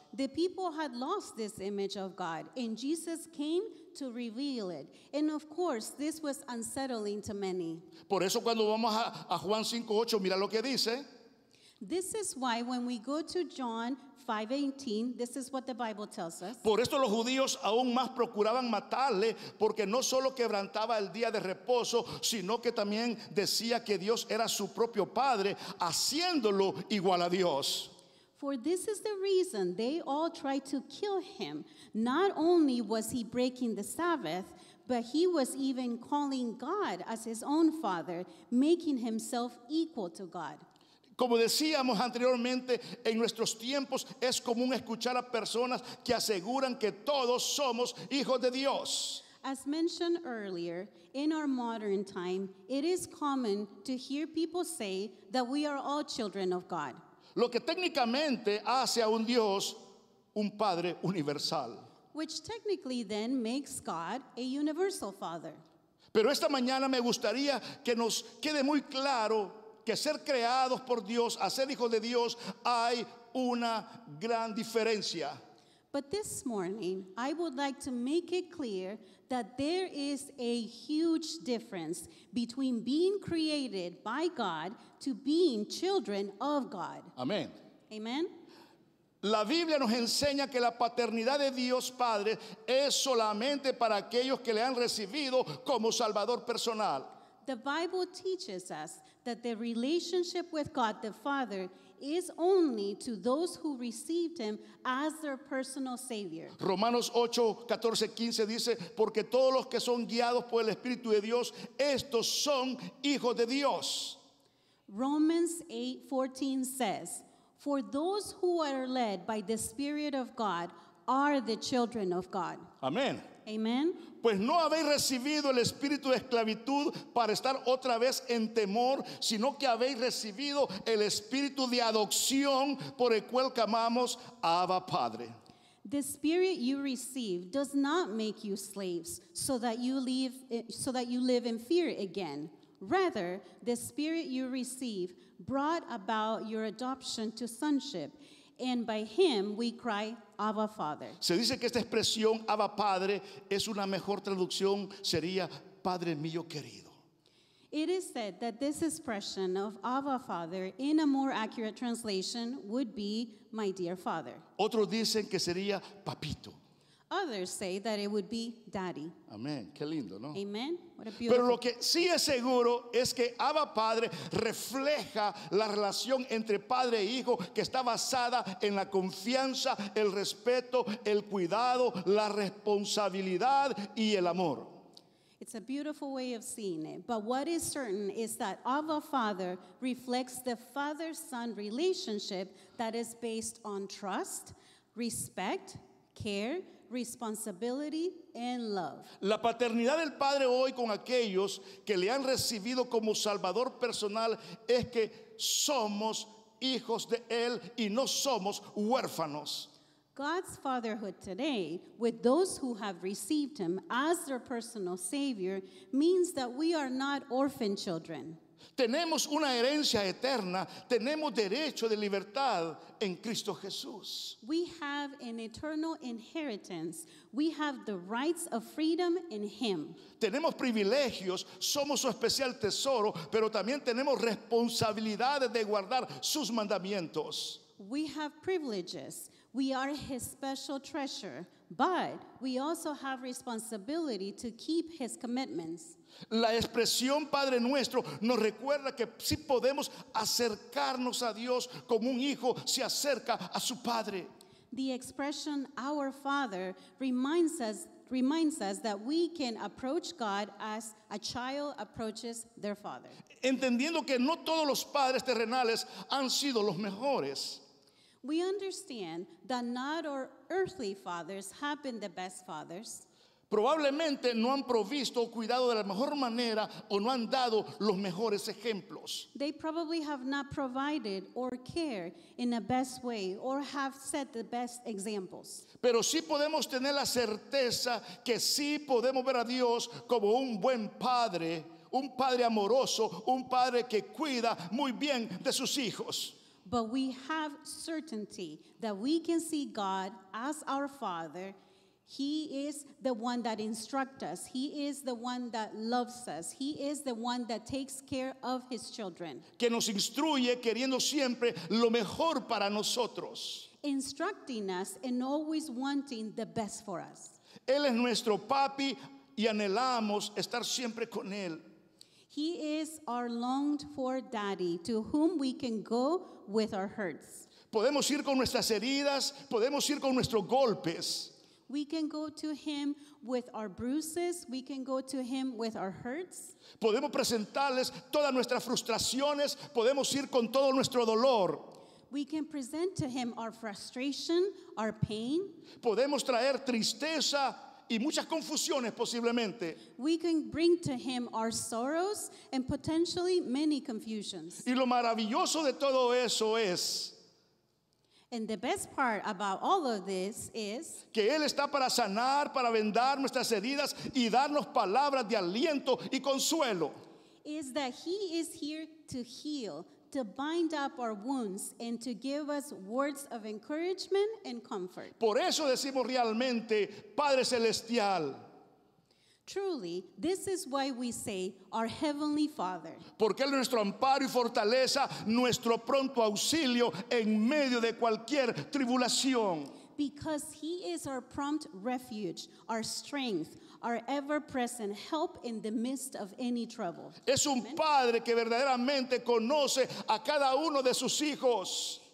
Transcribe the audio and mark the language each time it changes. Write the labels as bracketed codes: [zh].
[en] The people had lost this image of God, and Jesus came to reveal it. And of course, this was unsettling to many. [es] Por eso cuando vamos a Juan 5:8, mira lo que dice. [en] This is why when we go to John 5:18, this is what the Bible tells us. [es] Por esto los judíos aún más procuraban matarle, porque no solo quebrantaba el día de reposo, sino que también decía que Dios era su propio padre, haciéndolo igual a Dios. [en] For this is the reason they all tried to kill him. Not only was he breaking the Sabbath, but he was even calling God as his own father, making himself equal to God. [es] Como decíamos anteriormente, en nuestros tiempos es común escuchar a personas que aseguran que todos somos hijos de Dios. [en] As mentioned earlier, in our modern time, it is common to hear people say that we are all children of God. [es] Lo que técnicamente hace a un Dios un padre universal. [en] Which technically then makes God a universal father. [es] Pero esta mañana me gustaría que nos quede muy claro que ser creados por Dios, a ser hijos de Dios, hay una gran diferencia. [en] But this morning, I would like to make it clear that there is a huge difference between being created by God to being children of God. [es] Amén. [en] Amen. [es] La Biblia nos enseña que la paternidad de Dios Padre es solamente para aquellos que le han recibido como Salvador personal. [en] The Bible teaches us that the relationship with God the Father is only to those who received him as their personal Savior. [es] Romanos 8, 14, 15 dice, porque todos los que son guiados por el Espíritu de Dios, estos son hijos de Dios. [en] Romans 8, 14 says, for those who are led by the Spirit of God are the children of God. [es] Amen. [en] Amen. [es] Pues no habéis recibido el espíritu de esclavitud para estar otra vez en temor, sino que habéis recibido el espíritu de adopción por el cual clamamos Abba Padre. [en] The spirit you receive does not make you slaves so that you live in fear again. Rather, the spirit you receive brought about your adoption to sonship, and by him we cry Abba Father. [es] Se dice que esta expresión Abba Padre es una mejor traducción, sería Padre mío querido. [en] It is said that this expression of Abba Father in a more accurate translation would be my dear father. [es] Otros dicen que sería papito. [en] Others say that it would be daddy. [es] Amén, qué lindo, ¿no? [en] Amen. What a beautiful. [es] Pero lo que sí es seguro es que Abba Padre refleja la relación entre padre e hijo que está basada en la confianza, el respeto, el cuidado, la responsabilidad y el amor. [en] It's a beautiful way of seeing it. But what is certain is that Abba Father reflects the father-son relationship that is based on trust, respect, care, responsibility and love. [es] La paternidad del Padre hoy con aquellos que le han recibido como Salvador personal es que somos hijos de Él y no somos huérfanos. [en] God's fatherhood today with those who have received Him as their personal Savior means that we are not orphan children. [es] Tenemos una herencia eterna, tenemos derecho de libertad en Cristo Jesús. [en] We have an eternal inheritance. We have the rights of freedom in Him. [es] Tenemos privilegios, somos su especial tesoro, pero también tenemos responsabilidades de guardar sus mandamientos. [en] We have privileges. We are His special treasure, but we also have responsibility to keep His commitments. [es] La expresión Padre Nuestro nos recuerda que sí podemos acercarnos a Dios como un hijo se acerca a su padre. [en] The expression Our Father reminds us that we can approach God as a child approaches their father. [es] Entendiendo que no todos los padres terrenales han sido los mejores. [en] We understand that not our earthly fathers have been the best fathers. [es] Probablemente no han provisto o cuidado de la mejor manera o no han dado los mejores ejemplos. [en] They probably have not provided or cared in the best way or have set the best examples. [es] Pero sí podemos tener la certeza que sí podemos ver a Dios como un buen padre, un padre amoroso, un padre que cuida muy bien de sus hijos. [en] But we have certainty that we can see God as our Father. He is the one that instructs us. He is the one that loves us. He is the one that takes care of His children. [es] Que nos instruye queriendo siempre lo mejor para nosotros. [en] Instructing us and always wanting the best for us. [es] Él es nuestro papi y anhelamos estar siempre con Él. [en] He is our longed for daddy to whom we can go with our hurts. [es] Podemos ir con nuestras heridas, podemos ir con nuestros golpes. [en] We can go to him with our bruises, we can go to him with our hurts. [es] Podemos presentarles todas nuestras frustraciones, podemos ir con todo nuestro dolor. [en] We can present to him our frustration, our pain. [es] Podemos traer tristeza y muchas confusiones posiblemente. [en] We can bring to him our sorrows and potentially many confusions. [es] Y lo maravilloso de todo eso es, [en] and the best part about all of this is, [es] que él está para sanar, para vendar nuestras heridas y darnos palabras de aliento y consuelo. [en] Is that he is here to heal, to bind up our wounds and to give us words of encouragement and comfort. [es] Por eso decimos realmente, Padre Celestial. [en] Truly, this is why we say, our Heavenly Father. [es] Porque él es nuestro amparo y fortaleza, nuestro pronto auxilio en medio de cualquier tribulación. [en] Because he is our prompt refuge, our strength, our ever-present help in the midst of any trouble. [es] Es un padre que verdaderamente conoce a cada uno de sus hijos.